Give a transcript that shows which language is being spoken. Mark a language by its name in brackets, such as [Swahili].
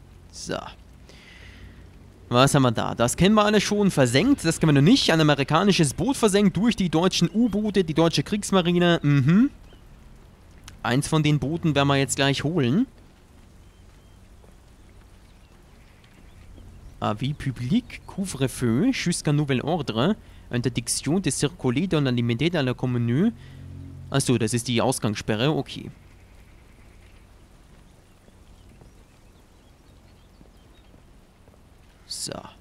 [German] So. Was haben wir da? Das kennen wir alle schon. Versenkt, das kennen wir noch nicht. Ein amerikanisches Boot versenkt durch die deutschen U-Boote, die deutsche Kriegsmarine. Mhm. Eins von den Booten werden wir jetzt gleich holen. [French] Avis public, couvre-feu, jusqu'à nouvel ordre, interdiction de circuler dans la limite de la commune. [German] Achso, das ist die Ausgangssperre, okay. So.